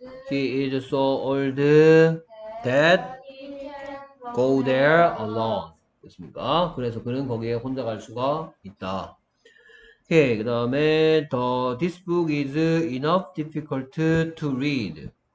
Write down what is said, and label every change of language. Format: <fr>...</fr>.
<en>He is so old that go there alone.</en> <ko>됐습니까? 그래서 그는 거기에 혼자 갈 수가 있다. 오케이. 그 다음에,</ko> <en>this book is enough difficult to read.</en>